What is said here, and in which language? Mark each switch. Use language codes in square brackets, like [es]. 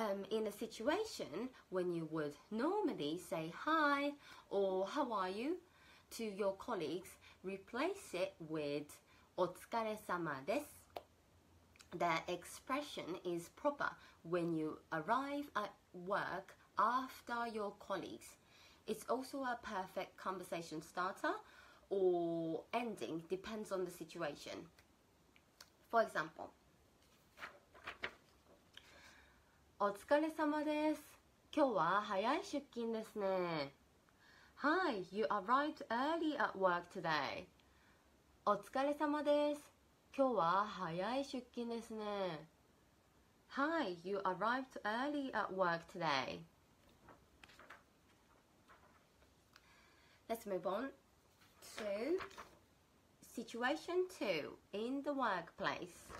[en] In a situation when you would normally say hi or how are you to your colleagues, replace it withお疲れ様です。 The expression is proper when you arrive at work after your colleagues. It's also a perfect conversation starter or ending, depends on the situation. For example, [ja] お疲れ様です。今日は早い出勤ですね。 [en] Hi, you arrived early at work today. [ja] お疲れ様です。今日は早い出勤ですね。 [en] Hi, you arrived early at work today. Let's move on to situation 2 in the workplace.